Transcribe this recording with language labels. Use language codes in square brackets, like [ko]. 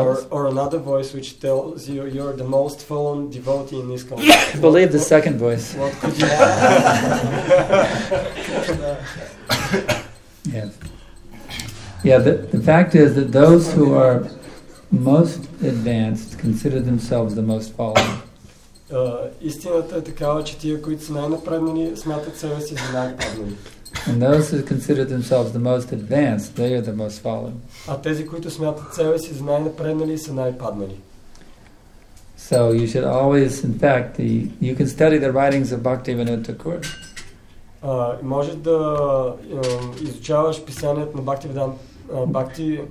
[en] Or another voice which tells you you're the most fallen devotee in this country. Believe the second voice. What could you have? Yes. Yeah, the fact is that those who are most advanced consider themselves the most fallen. [bg] Истината е такава, че тия, които са най-напреднали, смятат себе си за най-паднали. [en] And those who consider themselves the most advanced, they are the most fallen. [bg] А тези, които смятат себе си за най-напреднали, са най-паднали. [en] So you should always, in fact, you can study the writings of Bhaktivinoda Thakur. [bg] Може да изучаваш писанията на Бхакти.